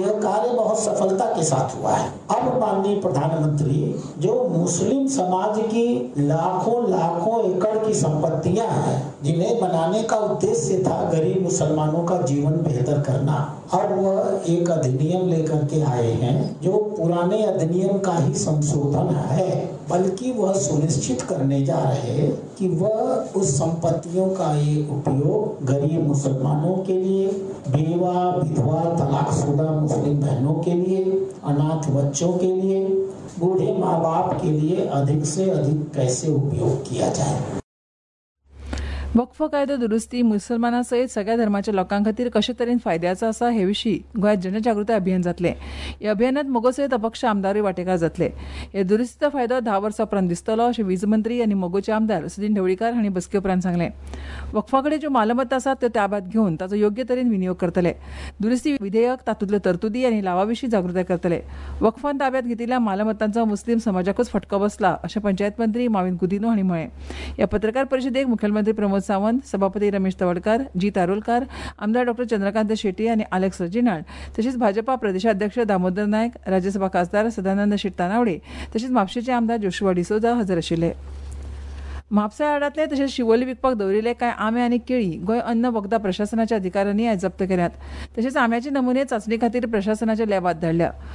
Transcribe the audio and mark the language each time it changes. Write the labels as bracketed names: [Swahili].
[Hindi] यह कार्य बहुत सफलता के साथ हुआ है. अब माननीय प्रधानमंत्री जो मुस्लिम समाज की लाखों लाखों एकड़ की संपत्तियां हैं, जिन्हें बनाने का उद्देश्य था गरीब मुसलमानों का जीवन बेहतर करना, अब वह एक अधिनियम लेकर के आए हैं जो पुराने अधिनियम का ही संशोधन है, बल्कि वह सुनिश्चित करने जा रहे हैं कि वह उस संपत्तियों का एक उपयोग गरीब मुसलमानों के लिए, बेवा, विधवा, तलाकशुदा मुस्लिम बहनों के लिए, अनाथ बच्चों के लिए, बूढ़े माँ बाप के लिए अधिक से अधिक कैसे उपयोग किया जाए. [Goan Konkani] वक्फ कायदो दुरुस्ती मुसलमानांसयत सगळ्या धर्माच्या लोकां खातीर कशे तरेन फायद्याचो आसा हे विशीं गोंयात जनजागृताय अभियान जातले. ह्या अभियानात मोगोसयत अपक्ष आमदारूय वांटेकार जातले. ह्या दुरुस्तीचो फायदो 10 वर्सां उपरांत दिसतलो अशें वीज मंत्री आनी मोगोचे आमदार सुदीन ढवळीकार हांणी बसके उपरांत सांगले. वक्फाकडे ज्यो मालमत्ता आसात त्यो ताब्यात घेवन ताचो योग्य तरेन विनियोग करतले. दुरुस्ती विधेयक तातूंतल्यो तरतुदी आनी लावाविशीं जागृताय करतले. वक्फान ताब्यात घेतिल्ल्या मालमत्तांचो मुस्लिम समाजाकूच फटको बसला अशें पंचायत मंत्री मॉवीन गुदिन्हो हांणी म्हळें. ह्या पत्रकार परिशदेक मुखेलमंत्री प्रमोद सावंत, सभापती रमेश तवडकर, जी तारोलकर, आमदार डॉ चंद्रकांत शेट्टी आणि अलेक्स रजिनाळ तसेच भाजपा प्रदेशाध्यक्ष दामोदर नायक, राज्यसभा खासदार सदानंद शिरतानावडे तसेच म्हापशेचे आमदार जोशुआ डिसोजा हजर आशिल्ले. म्हापसा आडातले तशेंच शिवोली विकपाक दवरिल्ले कांय आंबे आनी केळी गोंय अन्न वखदां प्रशासनाच्या अधिकाऱ्यांनी आयज जप्त केल्यात. तशेंच आंब्याचे नमुने चाचणी खातीर प्रशासनाच्या लॅबात धाडल्या.